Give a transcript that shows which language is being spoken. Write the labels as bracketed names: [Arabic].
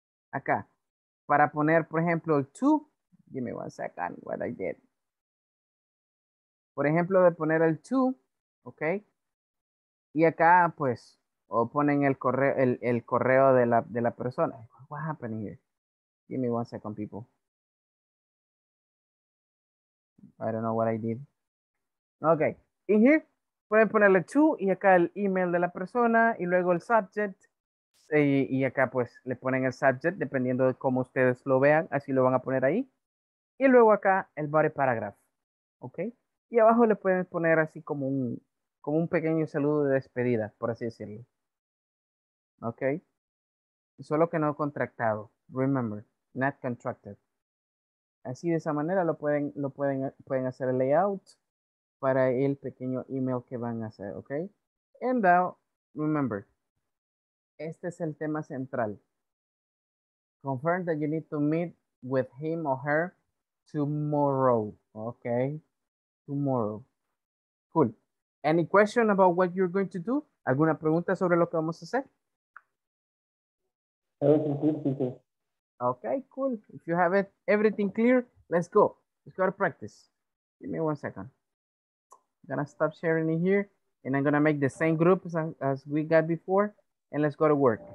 [Spanish] Acá. Para poner, por ejemplo, el to. [English] Give me one second what I did. [Spanish] Por ejemplo, de poner el to, ok. Y acá, pues, o ponen el correo de la persona. [English] What happened here? Give me one second, people. I don't know what I did. Ok. In here, [Spanish] pueden ponerle to y acá el email de la persona y luego el subject. Y acá, pues, le ponen el subject dependiendo de cómo ustedes lo vean. Así lo van a poner ahí. Y luego acá el body paragraph, ¿ok? Y abajo le pueden poner así como un pequeño saludo de despedida, por así decirlo, ¿ok? Solo que no contractado, [English] remember, not contracted. [Spanish] Así de esa manera lo pueden hacer el layout para el pequeño email que van a hacer, ¿ok? [English] And now, remember, [Spanish] este es el tema central. [English] Confirm that you need to meet with him or her tomorrow, okay? Tomorrow. Cool. Any question about what you're going to do? [Spanish] ¿Alguna pregunta sobre lo que vamos a hacer? [English] Everything clear. Okay, cool. If you have it, everything clear, let's go. Let's go to practice. Give me one second. I'm gonna stop sharing in here, and I'm gonna make the same group as we got before, and let's go to work.